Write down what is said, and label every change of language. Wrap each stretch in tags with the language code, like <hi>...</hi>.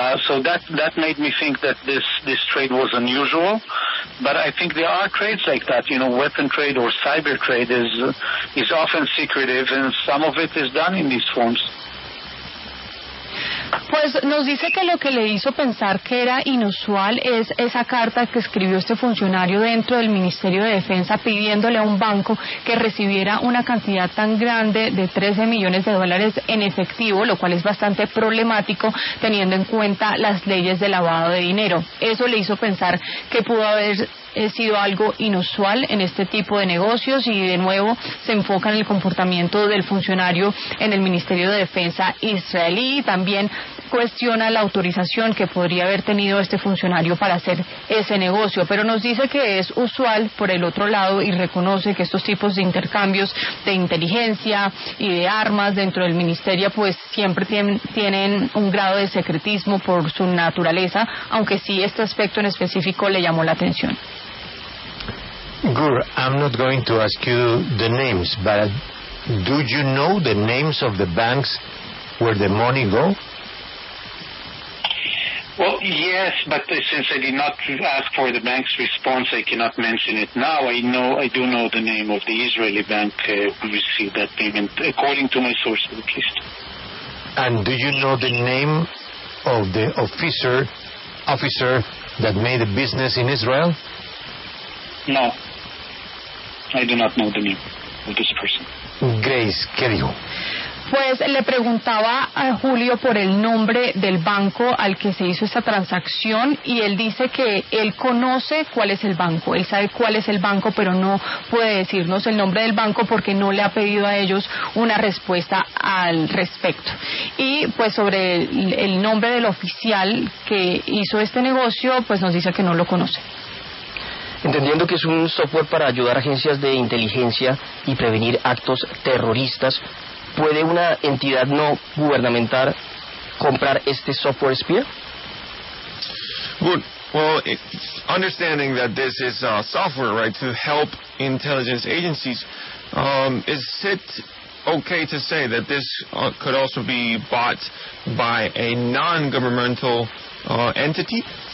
<en>So that made me think that this trade was unusual. But I think there are trades like that, you know, weapon trade or cyber trade is often secretive, and some of it is done in these forms.</en> <es>Pues nos dice que lo que le hizo pensar que era inusual es esa carta que escribió este funcionario dentro del Ministerio de Defensa pidiéndole a un banco que recibiera una cantidad tan grande de $13 millones en efectivo, lo cual es bastante problemático teniendo en cuenta las leyes de lavado de dinero. Eso le hizo pensar que pudo haber sido algo inusual en este tipo de negocios, y de nuevo se enfoca en el comportamiento del funcionario en el Ministerio de Defensa israelí. También cuestiona la autorización que podría haber tenido este funcionario para hacer ese negocio, pero nos dice que es usual por el otro lado, y reconoce que estos tipos de intercambios de inteligencia y de armas dentro del ministerio pues siempre tienen un grado de secretismo por su naturaleza, aunque sí este aspecto en específico le llamó la atención.</es> <en>Gur, I'm not going to ask you the names, but do you know the names of the banks where the money go? Well, yes, but since I did not ask for the bank's response, I cannot mention it now. I do know the name of the Israeli bank who received that payment, according to my source, at least. And do you know the name of the officer that made a business in Israel? No, I do not know the name of this person.</en> <es>Grace, ¿qué dijo? Pues le preguntaba a Julio por el nombre del banco al que se hizo esta transacción, y él dice que él conoce cuál es el banco, él sabe cuál es el banco, pero no puede decirnos el nombre del banco porque no le ha pedido a ellos una respuesta al respecto. Y pues sobre el nombre del oficial que hizo este negocio, pues nos dice que no lo conoce. Entendiendo que es un software para ayudar a agencias de inteligencia y prevenir actos terroristas, ¿puede una entidad no gubernamental comprar este software espía?</es> <en>Good. Well, understanding that this is software, right, to help intelligence agencies, is it okay to say that this could also be bought by a non-governmental entity?</en>